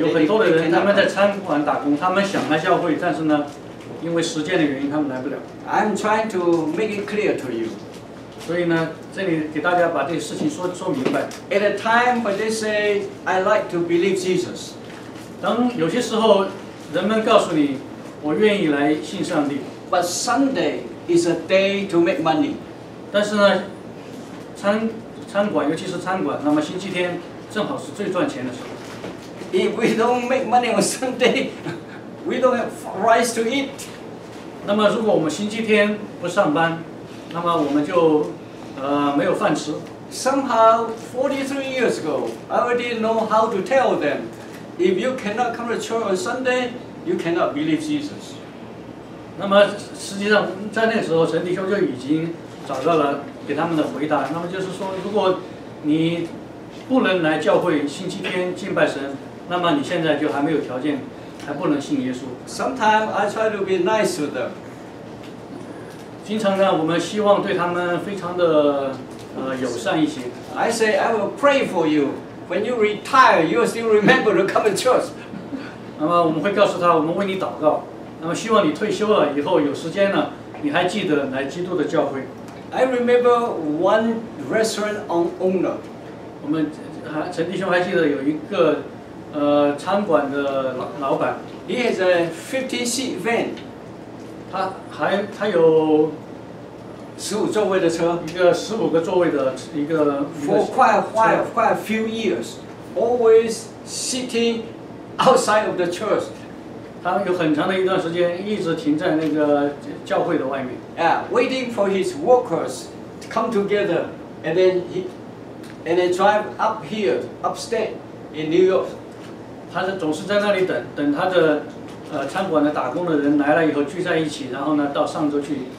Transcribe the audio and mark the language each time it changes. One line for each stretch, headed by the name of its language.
Chinese: 有很多的人他们在餐馆打工，他们想来教会，但是呢，因为时间的原因，他们来不了。
English: I'm trying to make it clear to you.
Chinese: 所以呢，这里给大家把这个事情说明白。
English: At a time when they say I like to believe Jesus.
Chinese: 当有些时候，人们告诉你，我愿意来信上帝。
English: But Sunday is a day to make money.
Chinese: 但是呢，餐馆，尤其是餐馆，那么星期天正好是最赚钱的时候。
English: If we don't make money on Sunday, we don't have rights to eat.
Chinese: 那么如果我们星期天不上班，那么我们就没有饭吃。
English: Somehow, 43 years ago, I already know how to tell them, if you cannot come to church on Sunday, you cannot believe Jesus.
Chinese: 那么实际上在那时候，陈弟兄就已经找到了给他们的回答，那么就是说，如果你不能来教会星期天敬拜神，那么你现在就还没有条件，还不能信耶稣。
English: Sometimes I try to be nice with them.
Chinese: 经常呢，我们希望对他们非常的友善一些。
English: I say I will pray for you. When you retire, you still remember to come to church.
Chinese: 那么我们会告诉他，我们为你祷告。那么希望你退休了以后有时间呢，你还记得来基督的教会。
English: I remember one restaurant owner.
Chinese: 我们陈弟兄还记得有一个餐馆的老板。
English: He has a 50-seat van.
Chinese: 他有 15座位的车。一个15个座位的一个。
English: For quite a few years, always sitting outside of the church.
Chinese: 他有很长的一段时间一直停在那个教会的外面。
English: Yeah, waiting for his workers to come together, and then drive up here, upstate in New York.
Chinese: 他总是在那里等，等他的餐馆的打工的人来了以后聚在一起，然后呢到上周去。